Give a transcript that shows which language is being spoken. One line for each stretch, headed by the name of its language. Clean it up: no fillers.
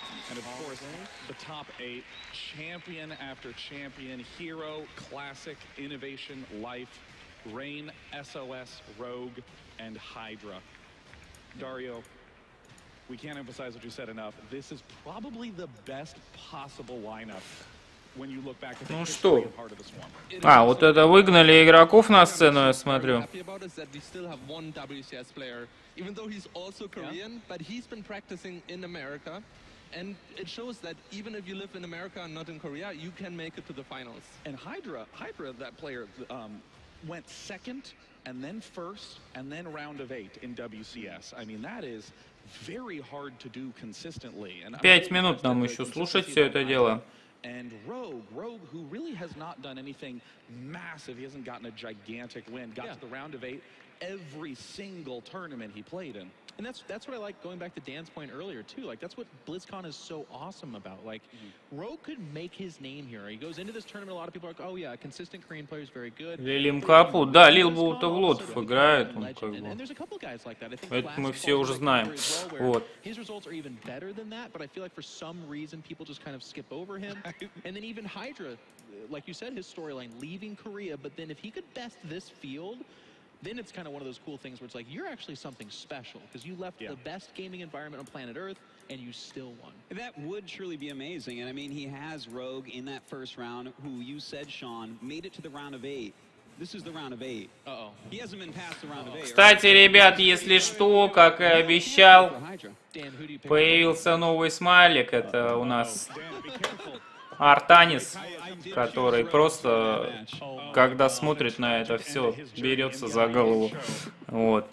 English: And of course, the top 8, champion after champion, Hero, Classic, Innovation, Life, Rain, SOS, Rogue, and Hydra. Dario, we can't emphasize what you said enough. This is probably the best possible lineup when you look back at the history of Heart of the Swarm.
Russian: А, вот это выгнали игроков на сцену, я смотрю.
English: We still have one WCS player, even though he's also Korean, but he's been practicing in America. And it shows that even if you live in America and not in Korea, you can make it to the finals. And Hydra, that player, went second, and then first, and then round of 8 in WCS. I mean, that is very hard to do consistently. And
Russian: 5 минут нам еще слушать все это дело.
English: And Rogue, who really has not done anything massive, he hasn't gotten a gigantic win, got to the round of 8 every single tournament he played in. And that's what I like, going back to Dan's point earlier, too. Like, that's what BlizzCon is so awesome about. Like, Rogue could make his name here. He goes into this tournament, a lot of people are like, oh, yeah, a consistent Korean player is very good.
Russian: Лилим Капу, да, Лил Боутов Лотов играет, он как бы.
English: And there's a couple guys like that.
Russian: Это мы все уже знаем. Вот.
English: His results are even better than that, but I feel like for some reason people just kind of skip over him. And then even Hydra, like you said, his storyline, leaving Korea, but then if he could best this field, then it's kind of one of those cool things where it's like, you're actually something special, because you left the best gaming environment on planet Earth, and you still won. That would truly be amazing, and I mean, he has Rogue in that first round, who you said, Sean, made it to the round of 8. This is the round of 8. Uh-oh. He hasn't been past the round of 8.
Russian: Кстати, ребят, если что, как и обещал, появился новый смайлик, это у нас... Артанис, который просто, когда смотрит на это все, берется за голову. Вот.